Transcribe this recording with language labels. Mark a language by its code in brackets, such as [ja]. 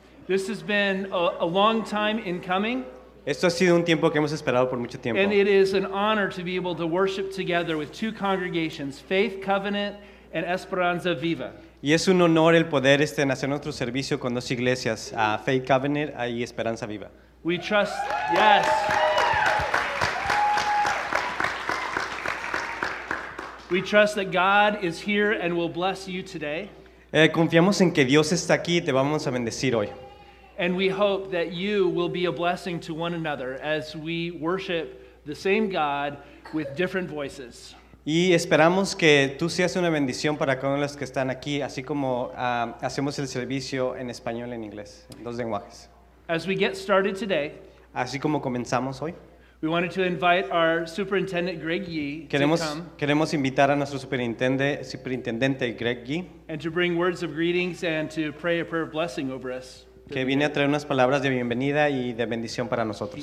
[en] This has been a long time in coming. [es] Esto ha sido un tiempo que hemos esperado por mucho tiempo. [en] And it is an honor to be able to worship together with two congregations, Faith Covenant and Esperanza Viva. [es] Y es un honor el poder hacer nuestro servicio con dos iglesias, Faith Covenant y Esperanza Viva. [en] We trust, yes. We trust that God is here and will bless you today. [es] Confiamos en que Dios está aquí y te vamos a bendecir hoy. [en] And we hope that you will be a blessing to one another as we worship the same God with different voices. [es] Y esperamos que tú seas una bendición para cada uno de los que están aquí, así como hacemos el servicio en español y en inglés, en dos lenguajes. [en] As we get started today, [es] así como comenzamos hoy, [en] we wanted to invite our superintendent Greg Yi [es] queremos invitar a nuestro superintendente Greg Yi, [en] and to bring words of greetings and to pray a prayer of blessing over us. [es] Que viene a traer unas palabras de bienvenida y de bendición para nosotros.